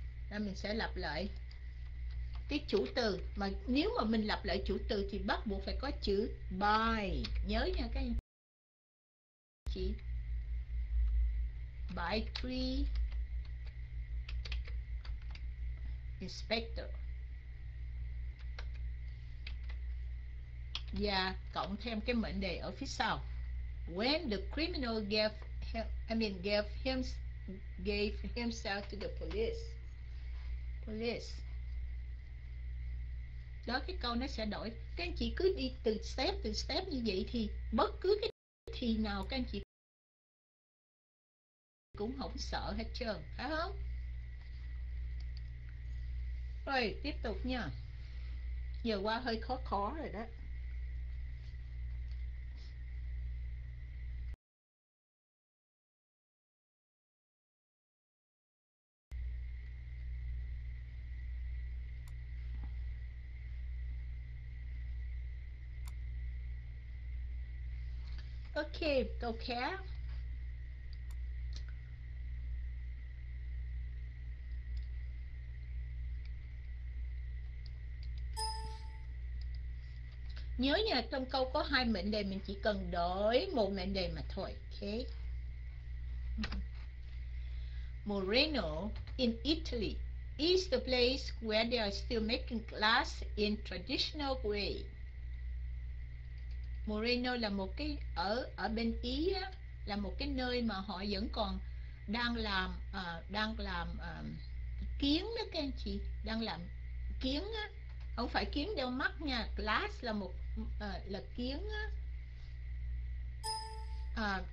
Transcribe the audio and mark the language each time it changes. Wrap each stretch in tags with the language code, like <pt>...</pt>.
<vi>Là mình sẽ lặp lại cái chủ từ, mà nếu mà mình lặp lại chủ từ thì bắt buộc phải có chữ bài, nhớ nha các anh chị. Bài tree inspector và cộng thêm cái mệnh đề ở phía sau.</vi> <en>When the criminal gave him, gave himself to the police. Police.</en> <vi>Đó, cái câu nó sẽ đổi. Các anh chị cứ đi từ step như vậy thì bất cứ cái thì nào các anh chị cũng không sợ hết trơn, phải không? Rồi, tiếp tục nha. Giờ qua hơi khó khó rồi đó. Ok, câu khác. Nhớ nha, trong câu có hai mệnh đề, mình chỉ cần đổi một mệnh đề mà thôi. Ok.</vi> <en>Murano in Italy is the place where they are still making glass in traditional way.</en> <vi>Murano là một cái ở ở bên Ý á, là một cái nơi mà họ vẫn còn đang làm kiến đó các anh chị, đang làm kiến á, không phải kiến đeo mắt nha, glass là một là kiến á.</vi>